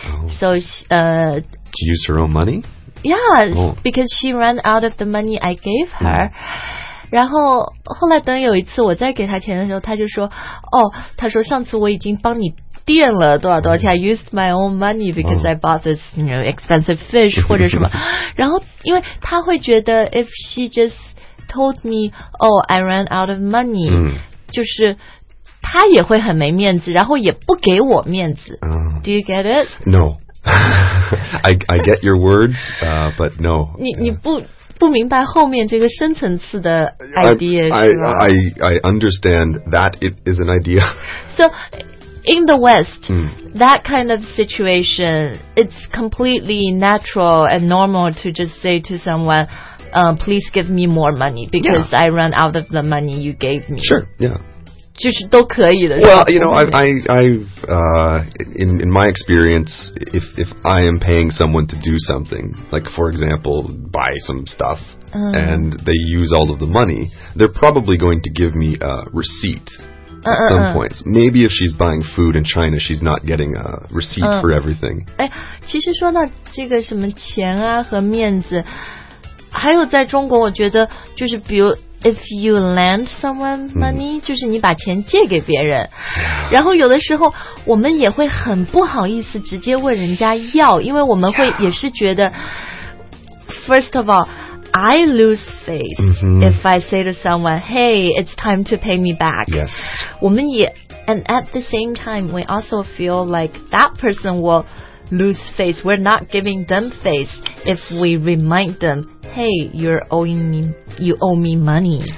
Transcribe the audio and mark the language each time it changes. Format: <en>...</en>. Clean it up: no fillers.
<en>She used her own money? Yeah,、because she ran out of the money I gave her、</en> <zh>然后后来等有一次我再给他钱的时候他就说哦他说上次我已经帮你垫了多少多少钱</zh> <en>I used my own money because、I bought this you know, expensive fish</en> <zh>或者什么然后因为他会觉得</zh> <en>if she just told me oh I ran out of money、</en> <zh>就是他也会很没面子然后也不给我面子、</zh> <en>Do you get it? No I get your words、but no</en> <zh>你不不明白后面这个深层次的 idea 是吧</zh> <en>I understand that it is an idea. So, in the West,、that kind of situation, it's completely natural and normal to just say to someone,、please give me more money because、I ran out of the money you gave me. Sure, yeah.</en> <zh>就是都可以的</zh> <en>Well, you know, I've in my experience, if I am paying someone to do something, like for example, buy some stuff,、and they use all of the money, they're probably going to give me a receipt at some points. Maybe if she's buying food in China, she's not getting a receipt for everything.</en> <zh>其实说到这个什么钱啊和面子，还有在中国，我觉得就是比如。</zh> <en>if you lend someone money,、</en> <zh>嗯、就是你把钱借给别人、嗯、然后有的时候我们也会很不好意思直接问人家要，因为我们会也是觉得、yeah.</zh> <en>first of all I lose face、 mm-hmm. if I say to someone hey it's time to pay me back. Yes,</en> <zh>我们也</zh> <en>and at the same time we also feel like that person willLose face. We're not giving them face、yes. if we remind them, hey, you're owing me, you owe me money.</en>